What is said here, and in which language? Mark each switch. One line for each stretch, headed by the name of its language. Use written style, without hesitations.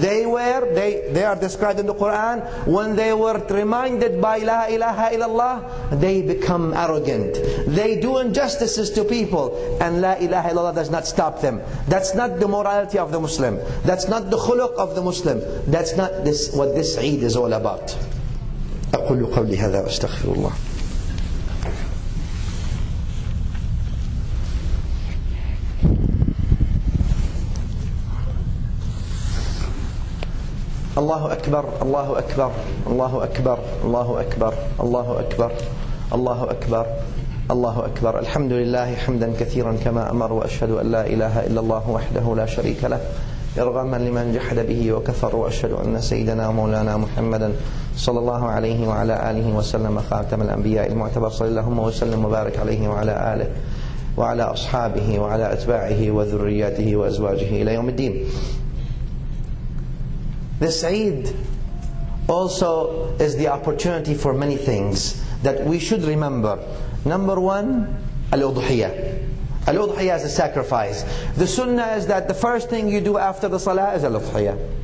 English: They are described in the Quran, when they were reminded by
Arabic: لا إله إلا الله,
English: they become arrogant. They do injustices to people, and
Arabic: لا إله إلا الله
English: does not stop them. That's not the morality of the Muslim. That's not the khuluq of the Muslim. That's not this what this Eid is all about.
Arabic: أقول قولي هذا وأستغفر الله. الله أكبر الله أكبر الله أكبر الله أكبر الله أكبر الله أكبر الله أكبر. الحمد لله حمدا كثيرا كما أمر, وأشهد أن لا إله إلا الله وحده لا شريك له إرغاما لمن جحد به وكفر, وأشهد أن سيدنا مولانا محمدا صلى الله عليه وعلى آله وسلم خاتم الأنبياء المعتبر, صلى الله وسلم وبارك عليه وعلى آله وعلى أصحابه وعلى أتباعه وذرياته وأزواجه إلى يوم الدين.
English: This Eid also is the opportunity for many things that we should remember. Number one, Al-Udhiyah. Al-Udhiyah is a sacrifice. The Sunnah is that the first thing you do after the Salah is Al-Udhiyah.